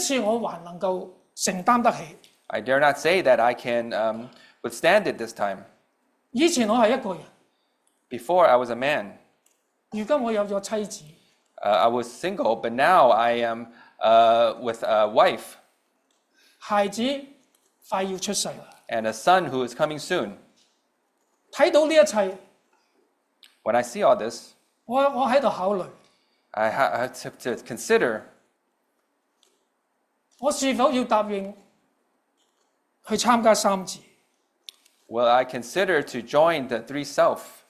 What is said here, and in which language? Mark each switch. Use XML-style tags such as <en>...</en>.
<zh>我不敢說這一次我還能夠承擔得起.</zh> <en>I dare not say that I can withstand it this time.</en> <zh>以前我是一個人.</zh> <en>Before I was a man.</en> <zh>如今我有了妻子.</zh> <en>I was single, but now I am with a wife.</en> <zh>孩子快要出世了.</zh> <en>And a son who is coming soon.</en> <zh>看到這一切,</zh> <en>when I see all this,</en> <zh>我在考慮,</zh> <en>I have to consider,</en> <zh>我是否要答應去參加三次?</zh> <en>Will I consider to join the three self,</en>